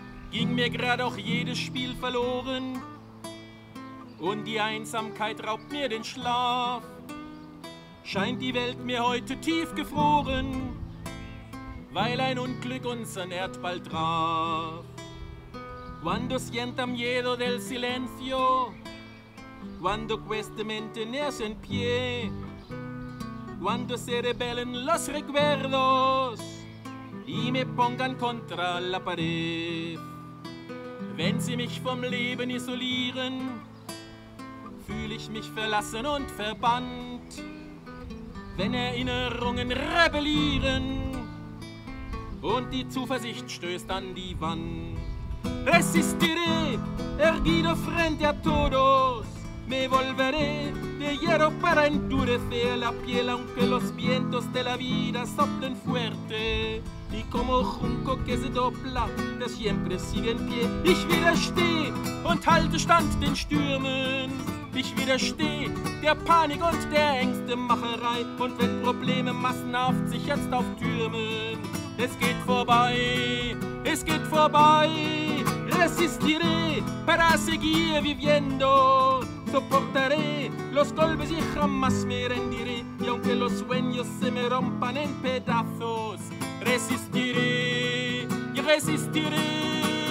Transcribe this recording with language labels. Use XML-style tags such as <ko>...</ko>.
<de>Ging mir grad auch jedes Spiel verloren und die Einsamkeit raubt mir den Schlaf. Scheint die Welt mir heute tief gefroren, weil ein Unglück unseren Erdball traf.</de> <es>Cuando sienta miedo del silencio, cuando cueste mantenerse en pie, cuando se rebelen los recuerdos y me pongan contra la pared.</es> <de>Wenn sie mich vom Leben isolieren, fühle ich mich verlassen und verbannt. Wenn Erinnerungen rebellieren und die Zuversicht stößt an die Wand.</de> <es>Resistiré, erguido frente a todos. Me volveré de hierro para endurecer la piel, aunque los vientos de la vida soplen fuerte. Y como junco que se dobla, der siempre sigue en pie.</es> <de>Ich widersteh und halte stand den Stürmen. Ich widersteh der Panik und der Ängstemacherei. Und wenn Probleme massenhaft sich jetzt auftürmen, es geht vorbei, es geht vorbei.</de> <es>Resistiré para seguir viviendo. Soportaré los golpes y jamás me rendiré. Y aunque los sueños se me rompan en pedazos, resistiré y resistiré.</es>